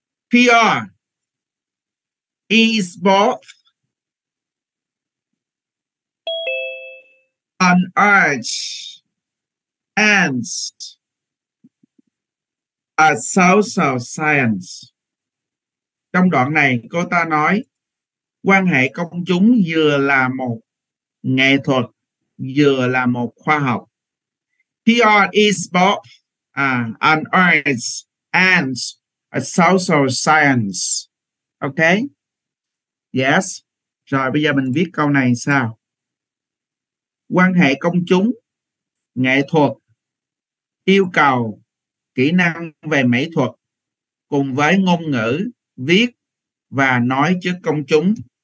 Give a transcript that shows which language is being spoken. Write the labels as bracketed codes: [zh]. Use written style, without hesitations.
[en] PR is both an art and a social science. [vi] Trong đoạn này cô ta nói quan hệ công chúng vừa là một nghệ thuật vừa là một khoa học. [en] PR is both an art and a social science. Ok? Yes. [vi] Rồi bây giờ mình viết câu này sao? Quan hệ công chúng, nghệ thuật, yêu cầu kỹ năng về mỹ thuật cùng với ngôn ngữ, viết và nói trước công chúng.